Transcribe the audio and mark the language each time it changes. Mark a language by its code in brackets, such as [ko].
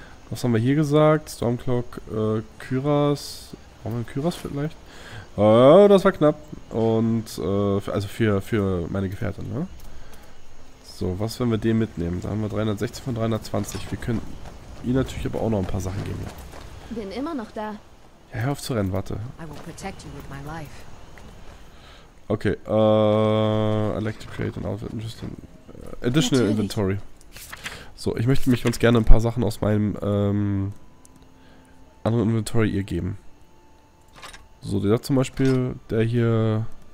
[de] Was haben wir hier gesagt? Stormcloak, Kyras. Brauchen wir einen Kyras vielleicht? Das war knapp. Und, also für meine Gefährtin, ne? So, was wenn wir den mitnehmen? Da haben wir 360 von 320. Wir können ihm natürlich aber auch noch ein paar Sachen geben. Bin immer noch da. Ja, hör auf zu rennen, warte. [en] I will protect you with my life. Okay, Electricate and Outfit Interesting. Additional natürlich. Inventory. [de] So, ich möchte mich ganz gerne ein paar Sachen aus meinem anderen Inventory ihr geben. So, der zum Beispiel, der hier.